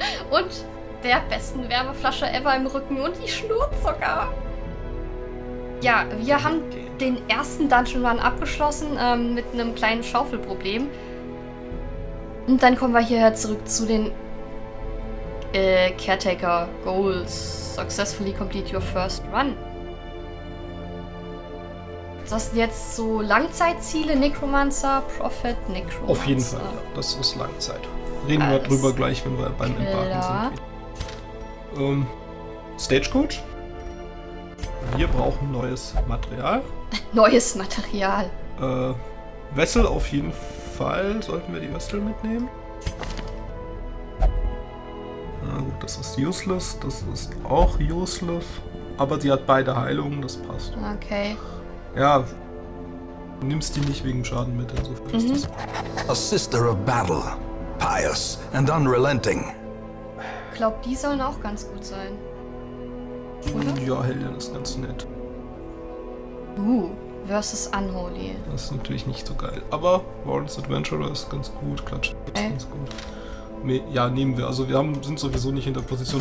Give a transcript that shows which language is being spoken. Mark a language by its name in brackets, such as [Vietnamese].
[German] Und der besten Wärmeflasche ever im Rücken und die Schnurzucker. Ja, wir haben den ersten Dungeon Run abgeschlossen mit einem kleinen Schaufelproblem. Und dann kommen wir hierher zurück zu den Caretaker Goals. [English] Successfully complete your first run. [German] Das sind jetzt so Langzeitziele, Necromancer, Prophet, Necromancer. Auf jeden Fall, ja. Das ist Langzeit. Reden wir drüber gleich, wenn wir beim Embarken sind. Stagecoach? Wir brauchen neues Material. Neues Material. Wessel auf jeden Fall. Sollten wir die Wessel mitnehmen? Na gut, das ist useless. Das ist auch useless. Aber sie hat beide Heilungen, das passt. Okay. Ja, nimmst die nicht wegen Schaden mit, insofern ist das. [English] A sister of battle, pious and unrelenting. [German] Glaub, die sollen auch ganz gut sein. Oder? Ja, Helden ist ganz nett. [English] Versus Unholy. [German] Das ist natürlich nicht so geil, aber Warren's Adventurer ist ganz gut, Klatsch. Ganz gut. Ja, nehmen wir. Also wir sind sowieso nicht in der Position.